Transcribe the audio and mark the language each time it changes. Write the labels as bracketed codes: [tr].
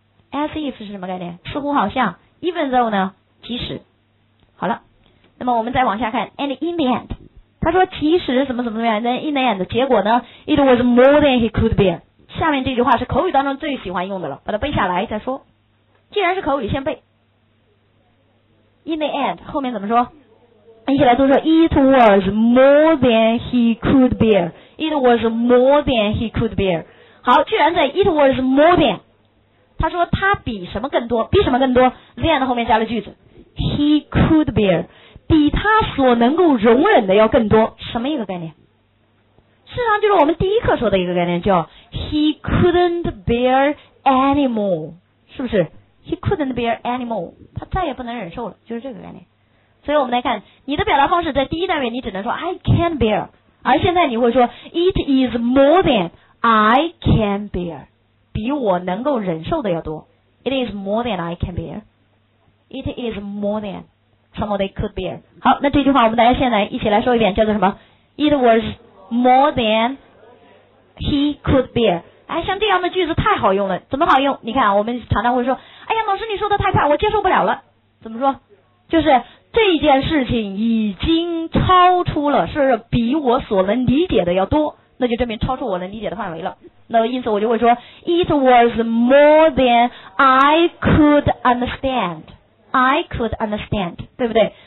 [zh] as if 是什么概念？似乎好像。even though 呢？即使。好了，那么我们再往下看 [en] and in the end， [zh] 他说即使怎么怎么样， [en] then in the end [zh] 结果呢？ [en] it was more than he could bear。 [zh] 下面这句话是口语当中最喜欢用的了，把它背下来再说。既然是口语，先背。 [en] In the end， [zh] 后面怎么说？一起来都说 [en] ，It was more than he could bear。 It was more than he could bear。 [zh] 好，既然在 [en] It was more than， [zh] 他说他比什么更多？比什么更多 ？Than 后面加了句子 ， [en] He could bear。 [zh] 比他所能够容忍的要更多。什么一个概念？事实上就是我们第一课说的一个概念，叫 [en] He couldn't bear anymore， [zh] 是不是？ [en] He couldn't bear anymore， [zh] 他再也不能忍受了，就是这个概念。所以我们来看，你的表达方式在第一单元你只能说 [en] I can't bear， [zh] 而现在你会说 [en] It is more than I can bear， [zh] 比我能够忍受的要多。 [en] It is more than I can bear， It is more than some of they could bear。 [zh] 好，那这句话我们大家现在一起来说一遍，叫做什么？ [en] It was more than he could bear。 [zh] 哎，像这样的句子太好用了。怎么好用？你看，我们常常会说，哎呀，老师你说的太快，我接受不了了。怎么说？就是这件事情已经超出了，是比我所能理解的要多，那就证明超出我能理解的范围了。那因此我就会说 [en] It was more than I could understand， I could understand， [zh] 对不对？